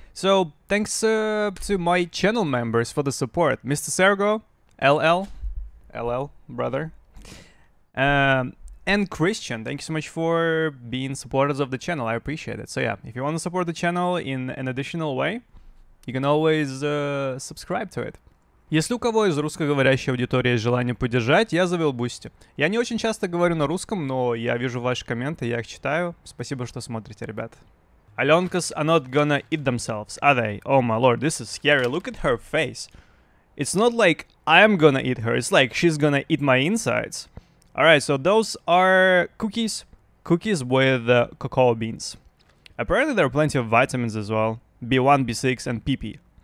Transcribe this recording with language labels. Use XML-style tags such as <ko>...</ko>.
<en>So thanks to my channel members for the support. Mr. Sergo, LL, brother. And Christian, thank you so much for being supporters of the channel. I appreciate it. So yeah, if you want to support the channel in an additional way, you can always subscribe to it.</en> <ru>Если у кого из русскоговорящей аудитории есть желание поддержать, я завел Boosty. Я не очень часто говорю на русском, но я вижу ваши комменты, я их читаю. Спасибо, что смотрите, ребят.</ru> <en>Alenkas are not gonna eat themselves, are they? Oh my lord, this is scary. Look at her face. It's not like I'm gonna eat her. It's like she's gonna eat my insides. Alright, so those are cookies. Cookies with cocoa beans. Apparently there are plenty of vitamins as well. B1, B6 and PP.</en>